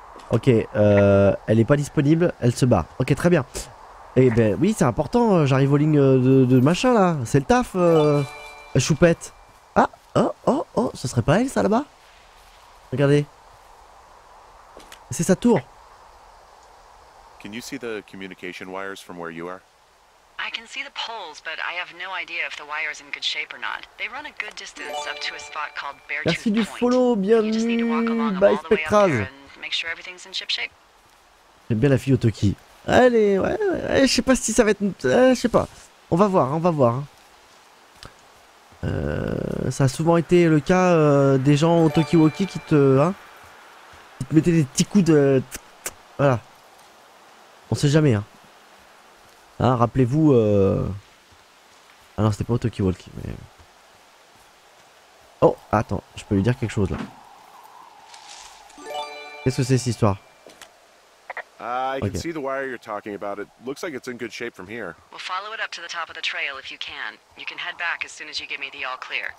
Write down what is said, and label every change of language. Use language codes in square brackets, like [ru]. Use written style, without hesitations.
[fr] Ok, elle est pas disponible, elle se barre. Ok, très bien. Eh ben oui, c'est important, j'arrive aux lignes de machin là. C'est le taf, choupette. Ah, oh, ce serait pas elle ça là-bas? Regardez. C'est sa tour. [en] Can you see the communication wires from where you are? I can see the poles, but I have no idea if the wire is in good shape or not. They run a good distance up to a spot called Beartooth [fr] Point. Merci du follow, bienvenue, Spectraz. [en] Make sure everything's in ship shape. [fr] J'aime bien la fille au Toki. Allez, ouais, je sais pas si ça va être, je sais pas. On va voir, on va voir. Ça a souvent été le cas des gens au Toki Woki qui te, hein, qui te mettaient des petits coups de, voilà. On sait jamais, hein. Ah, rappelez-vous, ah non, c'était pas au Toki Woki, mais... Oh, attends, je peux lui dire quelque chose, là. Qu'est-ce que c'est, cette histoire? [en] I can see the wire you're talking about. It looks like it's in good shape from here. We'll follow it up to the top of the trail if you can. You can head back as soon as you give me the all clear.